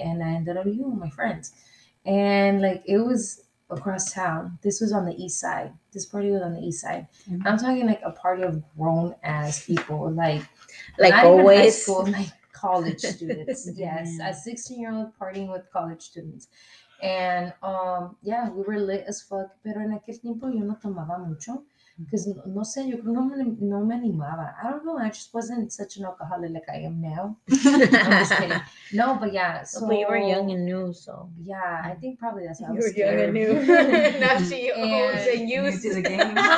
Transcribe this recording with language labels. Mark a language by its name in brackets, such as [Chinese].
[English] And I ended up with my friends. And like, it was across town. This was on the east side. This party was on the east side. Mm-hmm. I'm talking like a party of grown ass people, like not always even high school, like college students. Yes. Yeah. A 16-year-old partying with college students. And yeah, we were lit as fuck. [Spanish] Pero en aquel tiempo yo no tomaba mucho. [English] Because [Spanish] no sé, yo creo no me animaba. [English] I don't know. I just wasn't such an alcoholic like I am now. I'm just kidding. No, but yeah. So, but you were young and new, so. Yeah, I think probably that's how you I was. You were scared. Young and new. Now she owns and used to the game.